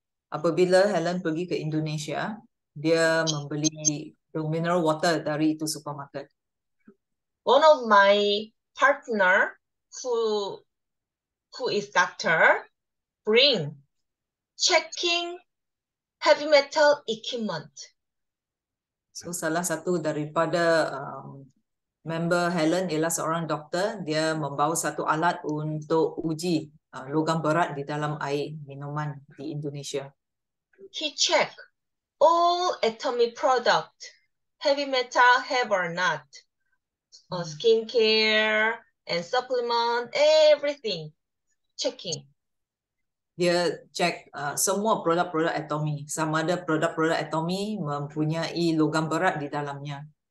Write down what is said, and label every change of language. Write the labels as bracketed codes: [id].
[ms] Apabila Helen pergi ke Indonesia, dia membeli [en] mineral water [ms] dari itu supermarket. [en] One of my partner who is doctor bring checking heavy metal equipment. [ms] So salah satu daripada member Helen ialah seorang doktor, dia membawa satu alat untuk uji logam berat di dalam air minuman di Indonesia. [en] He check all atomic product, heavy metal have or not, skincare and supplement, everything, checking. [ms] Dia check semua produk-produk atomi, sama ada produk-produk atomi mempunyai logam berat di dalamnya.